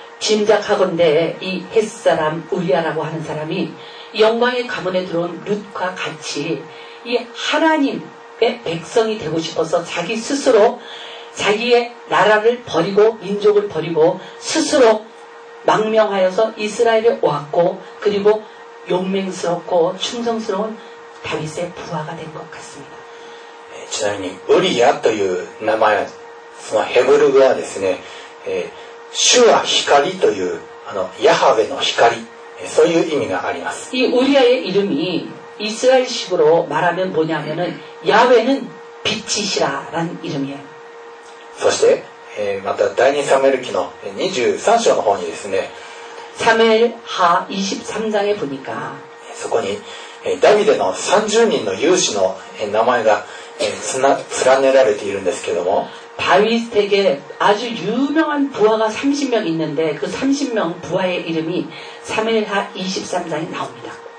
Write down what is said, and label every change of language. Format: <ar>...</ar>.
<ko>짐작하건데이헷사람우리아라고하는사람이영광의가문에들어온룻과같이이하나님의백성이되고싶어서자기스스로자기의나라를버리고민족을버리고스스로망명하여서이스라엘에왔고그리고용맹스럽고충성스러운다윗의부하가된것같습니다</ko> <ja>ちなみにウリアという名前そのヘブル語はですね主は光というあのヤハウェの光そういう意味があります</ja> <ko>이우리아의이름이이스라엘식으로말하면뭐냐면은야훼는빛이시라라는이름이에요</ko> <ja>そして、また第2サムエル記の23章の方にですね</ja> <ko>사무엘하23장에보니까</ko> <ja>そこに、ダビデの30人の勇士の名前が連ねられているんですけども、</ja> <ko>다윗에게아주유명한부하가30명있는데그30명부하의이름이사무엘하23장에나옵니다</ko>